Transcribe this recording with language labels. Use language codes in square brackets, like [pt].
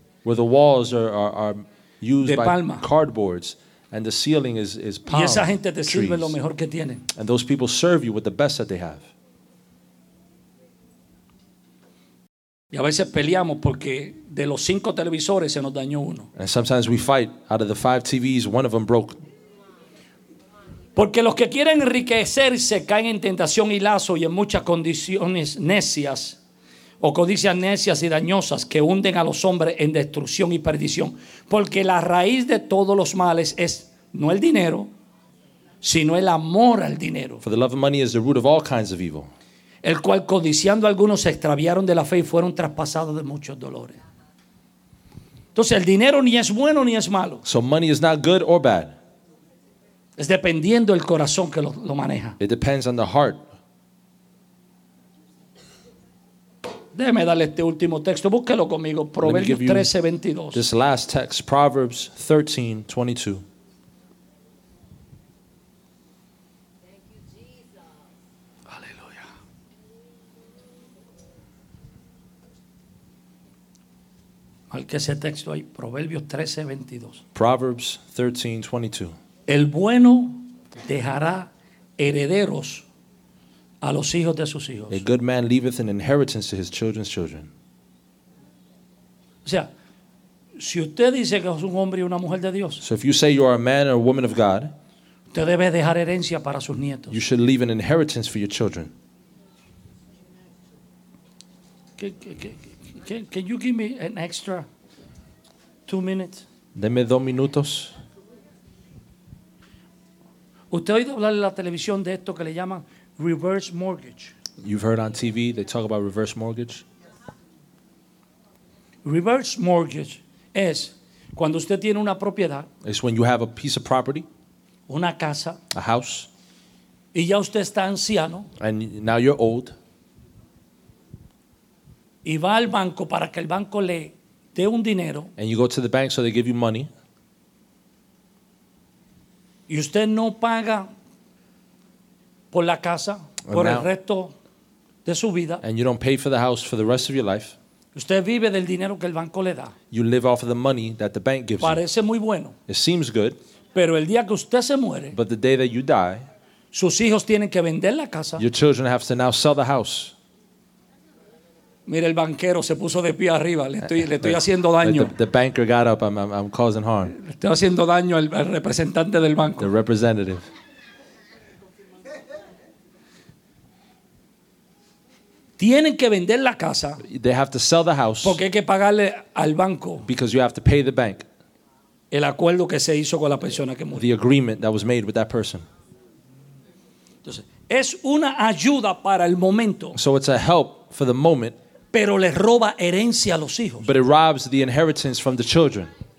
[en] where the walls are used by cardboards and the ceiling is palm [es] y esa gente te [en] trees. [es] Sirve lo mejor que tienen. [en] And those people serve you with the best that they have. [es] Y a veces peleamos porque de los 5 televisores se nos dañó uno. [en] And sometimes we fight out of the 5 TVs, one of them broke. [es] Porque los que quieren enriquecerse caen en tentación y lazo y en muchas condiciones necias. O codicias necias y dañosas que hunden a los hombres en destrucción y perdición. Porque la raíz de todos los males es no el dinero, sino el amor al dinero. [en] For the love of money is the root of all kinds of evil. [es] El cual codiciando a algunos se extraviaron de la fe y fueron traspasados de muchos dolores. Entonces el dinero ni es bueno ni es malo. [en] So money is not good or bad. [es] Es dependiendo el corazón que lo maneja. [en] It depends on the heart. [es] Déjeme darle este último texto. Búsquelo conmigo. Proverbios 13:22. [en] This last text, Proverbs 13:22. [es] Aleluya. Marque ese texto ahí. Proverbios 13:22. [en] Proverbs 13:22. [es] El bueno dejará herederos a los hijos de sus hijos. [en] A good man leaveth an inheritance to his children's children. [es] O sea, Si usted dice que es un hombre y una mujer de Dios, [en] so if you say you are a man or a woman of God, [es] usted debe dejar herencia para sus nietos. [en] You should leave an inheritance for your children. Can you give me an extra 2 minutes? [es] Deme 2 minutos. ¿Usted ha oído hablar en la televisión de esto que le llaman reverse mortgage? [en] You've heard on TV they talk about reverse mortgage. [es] Reverse mortgage es cuando usted tiene una propiedad. [en] It's when you have a piece of property. [es] Una casa. [en] A house. [es] Y ya usted está anciano. [en] And now you're old. [es] Y va al banco para que el banco le dé un dinero. [en] And you go to the bank so they give you money. [es] Y usted no paga por la casa por el resto de su vida. [en] And you don't pay for the house for the rest of your life. [es] Usted vive del dinero que el banco le da. [en] You live off of the money that the bank gives. [es] Parece [en] you. [es] Muy bueno. [en] It seems good. [es] Pero el día que usted se muere, [en] but the day that you die, [es] sus hijos tienen que vender la casa. [en] Your children have to now sell the house. [es] Mira, el banquero se puso de pie arriba. Le estoy haciendo daño. [en] The banker got up. I'm causing harm. [es] Le estoy haciendo daño al representante del banco. [en] The representative. [es] Tienen que vender la casa. [en] They have to sell the house. [es] Porque hay que pagarle al banco. [en] Because you have to pay the bank. [es] El acuerdo que se hizo con la persona que murió. [en] The agreement that was made with that person. [es] Entonces, es una ayuda para el momento. [en] So it's a help for the moment. [es] Pero le roba herencia a los hijos. [en] But it robs the inheritance from the children.